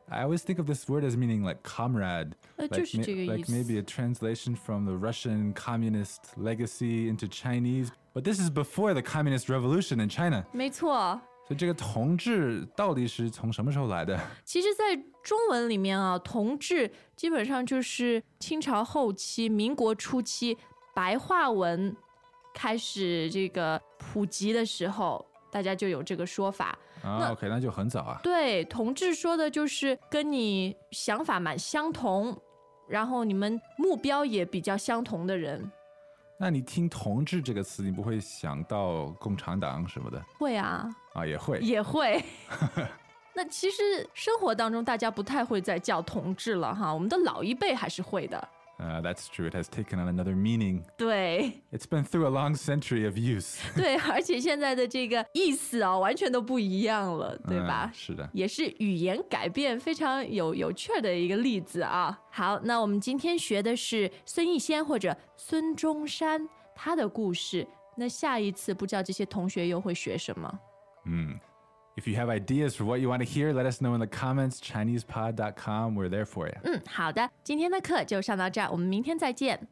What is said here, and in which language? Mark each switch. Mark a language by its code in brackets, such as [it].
[en] I always think of this word as meaning like comrade. [zh] 就是这个意思。 [en] Like maybe a translation from the Russian communist legacy into Chinese. But this is before the Communist Revolution in China. [zh] 没错。所以这个同志到底是从什么时候来的？其实在中文里面啊，同志基本上就是清朝后期、民国初期白话文开始这个普及的时候，大家就有这个说法。啊 ，OK， 那就很早啊。对，同志说的就是跟你想法蛮相同，然后你们目标也比较相同的人。那你听同志这个词，你不会想到共产党什么的？会啊。啊，也会。也会。那其实生活当中大家不太会再叫同志了哈，我们的老一辈还是会的。 [en] That's true, it has taken on another meaning. [zh] 对。 [en] It's been through a long century of use. [zh] 对，而且现在的这个意思啊，完全都不一样了，对吧？是的。也是语言改变非常有趣的一个例子啊。好，那我们今天学的是孙逸仙或者孙中山他的故事，那下一次不知道这些同学又会学什么。嗯。 [en] If you have ideas for what you want to hear, let us know in the comments, ChinesePod.com. We're there for you. [zh] 嗯，好的，今天的课就上到这儿，我们明天再见。